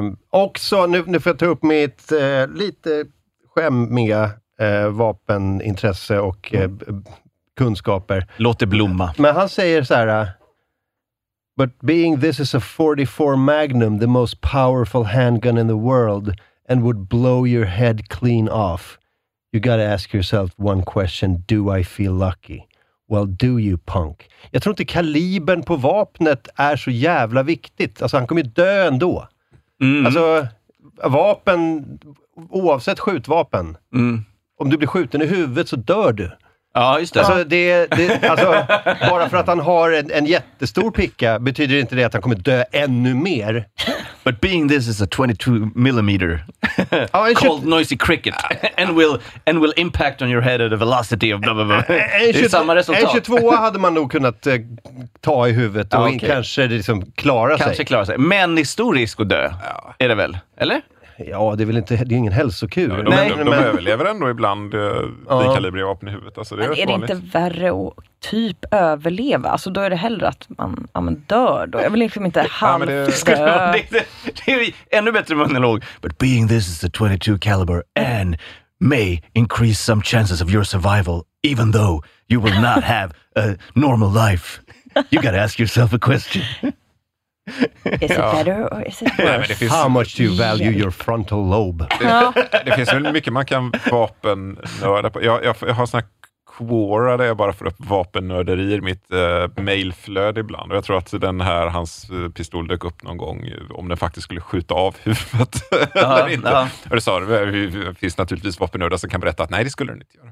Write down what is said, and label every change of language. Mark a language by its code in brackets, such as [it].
[sv] Också, nu får jag ta upp mitt lite skämmiga vapenintresse och kunskaper. Låt det blomma. Men han säger så här: [en] but being this is a 44 Magnum, the most powerful handgun in the world, and would blow your head clean off, you gotta ask yourself one question, do I feel lucky? Well, do you punk? [sv] Jag tror inte kalibern på vapnet är så jävla viktigt. Alltså, han kommer ju dö ändå. Alltså, vapen, oavsett skjutvapen, om du blir skjuten i huvudet så dör du. Ja, just det. Alltså, bara för att han har en jättestor picka betyder inte det att han kommer dö ännu mer. [en] But being this is a 22 millimeter called noisy cricket and will impact on your head at a velocity of blah blah blah. [sv] Det är samma resultat. En 22 hade man nog kunnat ta i huvudet och kanske liksom klara sig. Men det är stor risk att dö, är det väl? Eller? Ja, det är väl inte, det är ingen hälsokur. Ja, de överlever ändå ibland kalibriga vapen i huvudet. Alltså, är det inte värre att typ överleva? Alltså, då är det hellre att man dör då. Jag vill liksom inte halvt dö. Det är ännu bättre monolog. [en] But being this is a 22 caliber and may increase some chances of your survival even though you will not have a normal life. You gotta ask yourself a question. Is it better or is it worse? [sv] Nej, men det finns, [en] how much do you value your frontal lobe? [sv] Det finns väl mycket man kan vapen nörda på. Jag har såna Quora där jag bara får upp vapennörderier i mitt mailflöde ibland. Och jag tror att den här, hans pistol dök upp någon gång, om den faktiskt skulle skjuta av huvudet. Och du sa, det finns naturligtvis vapennördar som kan berätta att nej, det skulle den inte göra.